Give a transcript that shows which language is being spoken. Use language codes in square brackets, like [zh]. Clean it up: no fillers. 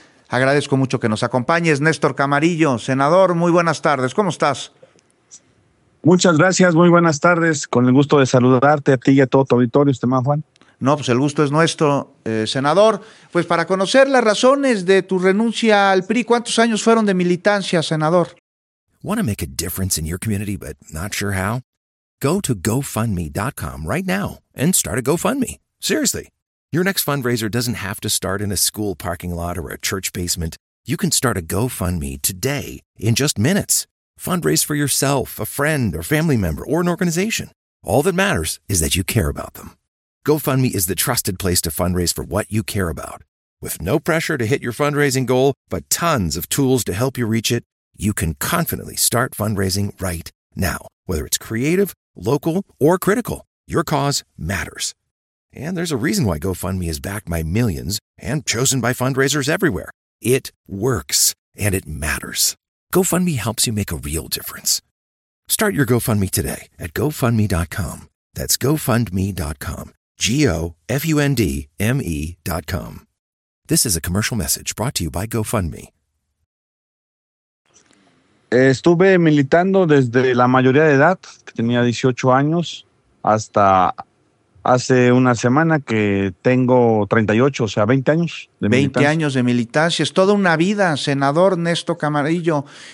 [es] Agradezco mucho que nos acompañes, Néstor Camarillo. Senador, muy buenas tardes. ¿Cómo estás? Muchas gracias, muy buenas tardes. Con el gusto de saludarte a ti y a todo tu auditorio, estimado Juan. No, pues el gusto es nuestro, senador. Pues para conocer las razones de tu renuncia al PRI, ¿cuántos años fueron de militancia, senador? [en] Want to make a difference in your community, but not sure how? Go to GoFundMe.com right now and start a GoFundMe. Seriously. Your next fundraiser doesn't have to start in a school parking lot or a church basement. You can start a GoFundMe today in just minutes. Fundraise for yourself, a friend, or family member, or an organization. All that matters is that you care about them. GoFundMe is the trusted place to fundraise for what you care about. With no pressure to hit your fundraising goal, but tons of tools to help you reach it, you can confidently start fundraising right now. Whether it's creative, local, or critical, your cause matters. And there's a reason why GoFundMe is backed by millions and chosen by fundraisers everywhere. It works, and it matters. GoFundMe helps you make a real difference. Start your GoFundMe today at GoFundMe.com. That's GoFundMe.com. GoFundMe.com. This is a commercial message brought to you by GoFundMe. [es] Estuve militando desde la mayoría de edad, tenía 18 años, hasta hace una semana que tengo 38, o sea, 20 años de militancia. 20 años de militancia, es toda una vida, senador Néstor Camarillo.